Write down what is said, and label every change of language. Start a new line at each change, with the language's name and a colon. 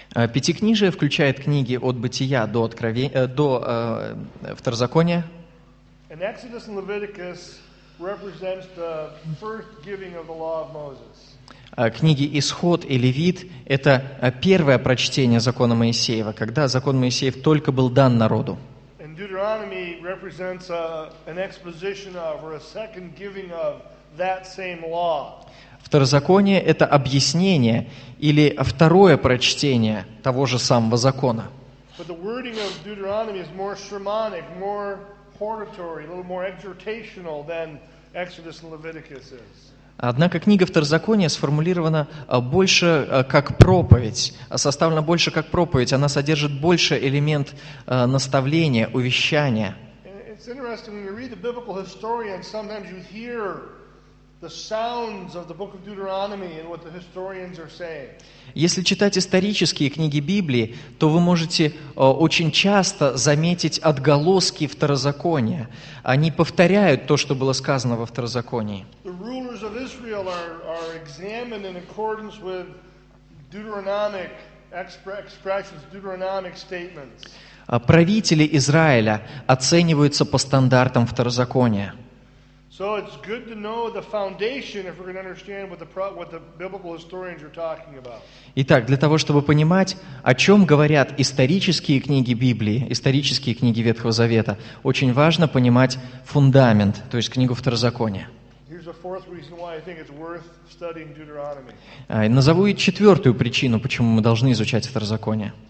Russian: Пятикнижие включает книги от Бытия до Второзакония.
English: And Exodus and Leviticus represents the first giving of the law of Moses.
Russian: Книги «Исход» и «Левит» — это первое прочтение закона Моисеева, когда закон Моисеев только был дан народу. Второзаконие — это объяснение или второе прочтение того же самого закона.
English: But the wording of Deuteronomy is more sermonic, more hortatory, a little more exhortational than Exodus and Leviticus is.
Russian: Однако книга Второзакония сформулирована больше как проповедь, составлена больше как проповедь. Она содержит больше элемент наставления, увещания.
English: It's interesting when you read the biblical historian, sometimes you hear the sounds of the book of Deuteronomy and what the historians are saying.
Russian: Если читать исторические книги Библии, то вы можете очень часто заметить отголоски второзакония. Они повторяют то, что было сказано во второзаконии.
English: The rulers of Israel are examined in accordance with Deuteronomic expressions, Deuteronomic statements.
Russian: Правители Израиля оцениваются по стандартам второзакония.
English: So it's good to know the foundation if we're going to understand what the biblical historians are talking about.
Russian: Итак, для того, чтобы понимать, о чем говорят исторические книги Библии, исторические книги Ветхого Завета, очень важно понимать фундамент, то есть книгу Второзакония.
English: Here's a fourth reason why I think it's worth studying Deuteronomy.
Russian: Назову и четвертую причину, почему мы должны изучать Второзаконие.